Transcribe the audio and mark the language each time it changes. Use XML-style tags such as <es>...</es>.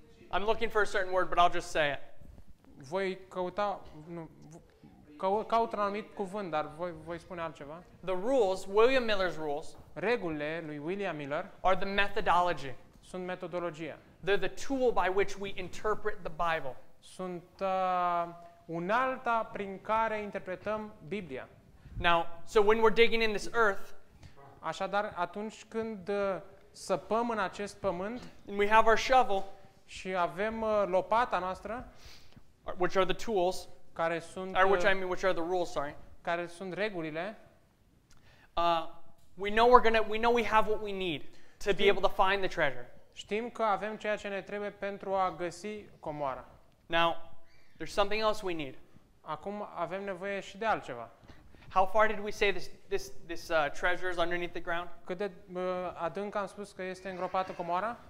<en>I'm looking for a certain word, but I'll just say it.</en> <ro>Voi căuta, nu, caut un anumit cuvânt, dar voi spune altceva.</ro> <en>The rules, William Miller's rules,</en> <ro>regulile lui William Miller,</ro> <en>are the methodology.</en> <ro>Sunt metodologia.</ro> <en>They're the tool by which we interpret the Bible.</en> <ro>Sunt unalta prin care interpretăm Biblia.</ro> <en>Now, so when we're digging in this earth,</en> <ro>așadar atunci când săpăm în acest pământ,</ro> <en>and we have our shovel,</en> <ro>și avem lopata noastră,</ro> <en>which are the tools,</en> <ro>care sunt,</ro> <en>or which I mean, which are the rules, sorry,</en> <ro>care sunt regulile,</ro> <en>we know we have what we need to be able to find the treasure.</en> <ro>Știm că avem ceea ce ne trebuie pentru a găsi comoara.</ro> <en>Now, there's something else we need.</en> <ro>Acum avem nevoie și de altceva.</ro> <en>How far did we say this treasure is underneath the ground?</en> <ro>Cât de adânc am spus că este îngropată comoara?</ro>